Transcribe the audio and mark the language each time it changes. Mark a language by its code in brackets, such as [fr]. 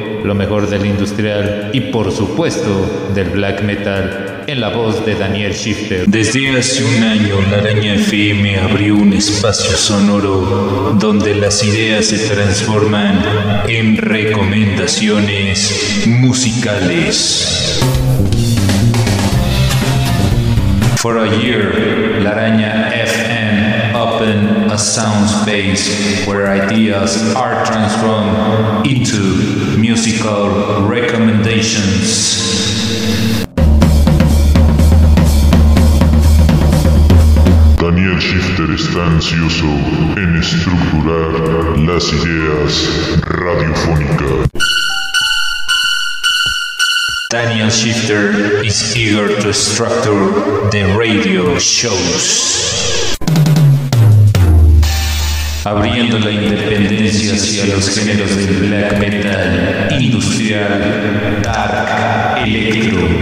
[es] Lo mejor del industrial y por supuesto del black metal. En la voz de Daniel Shifter. Desde hace un año, La Araña FM abrió un espacio sonoro donde las ideas se transforman en recomendaciones musicales. [en] For a year, La Araña FM opened a sound space where ideas are transformed into musical recommendations. [es] Daniel Shifter está ansioso en estructurar las ideas radiofónicas. [en] Daniel Shifter is eager to structure the radio shows. [es] Abriendo la independencia hacia los géneros del black metal, industrial, dark, electro.